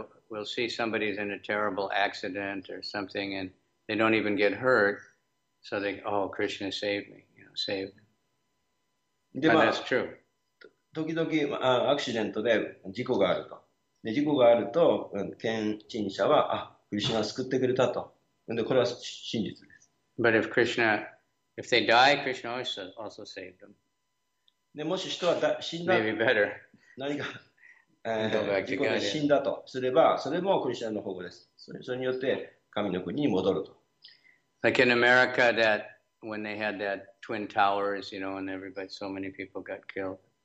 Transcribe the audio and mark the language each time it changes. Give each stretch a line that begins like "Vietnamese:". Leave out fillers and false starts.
English: we'll see somebody's in a terrible accident or something and they don't even get hurt, so they, oh, Krishna saved me, you know, saved. And that's true.
Japanese: 時々アクシデントで事故があると。で、事故があると、献身者は、あ、クリシュナ救ってくれたと。で、これは真実です。But
English: if Krishna, if they die, Krishna also, also saved them.
Japanese: で、もし人は死んだ、
English: Maybe better.
Japanese: 何か、事故で死んだとすれば、それもクリシュナの方法です。それによって神の国に戻ると。
English: Like in America, that when they had that Twin Towers, you know, and everybody, so many people got killed.